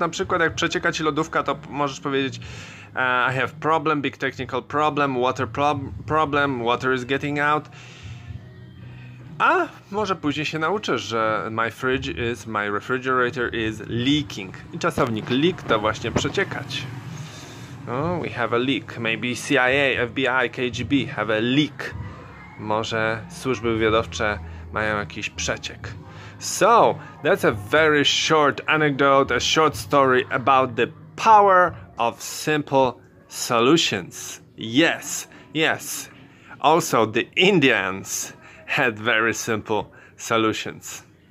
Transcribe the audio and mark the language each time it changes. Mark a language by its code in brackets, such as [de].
[pl] Na przykład jak przecieka ci lodówka, to możesz powiedzieć [en] I have problem, big technical problem, water problem, water is getting out. [pl] A może później się nauczysz, że [en] my refrigerator is leaking. [pl] I czasownik leak to właśnie przeciekać. [en] Oh, we have a leak. Maybe CIA, FBI, KGB have a leak. [pl] Może służby wywiadowcze mają jakiś przeciek. [en] So, that's a very short anecdote, a short story about the power of simple solutions. Yes, yes. Also, the Indians had very simple solutions.